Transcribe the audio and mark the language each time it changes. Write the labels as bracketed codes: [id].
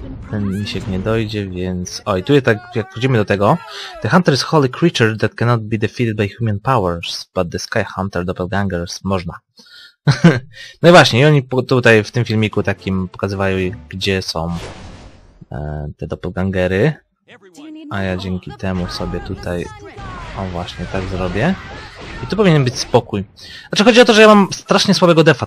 [pl] Ten misiek nie dojdzie, więc... O, i tu jest tak, jak wchodzimy do tego. [en] The hunter is holy creature that cannot be defeated by human powers, but the sky hunter doppelgangers [pl] można. No i właśnie, i oni tutaj w tym filmiku takim pokazywają, gdzie są te doppelgangery. A ja dzięki temu sobie tutaj, o właśnie, tak zrobię. I tu powinien być spokój. Znaczy chodzi o to, że ja mam strasznie słabego defa.